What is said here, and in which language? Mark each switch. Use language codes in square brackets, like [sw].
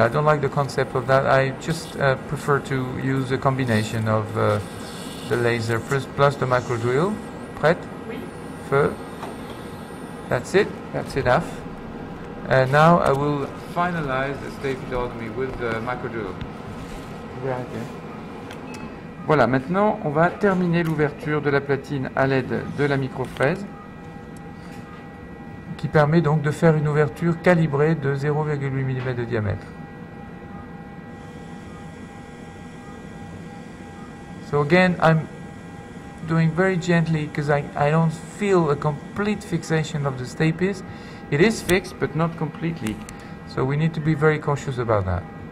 [en] I don't like the concept of that. I just prefer to use a combination of the laser first plus the macro drill. [fr] Prête? Oui. Feu. [en] That's it. That's enough. And now I will finalize the stapedotomy with the macro drill. Okay. [fr] Voilà, maintenant on va terminer l'ouverture de la platine à l'aide de la microfraise, qui permet donc de faire une ouverture calibrée de 0,8 mm de diamètre. [en] So again, I'm doing very gently because I don't feel a complete fixation of the stapes. It is fixed, but not completely. So we need to be very cautious about that.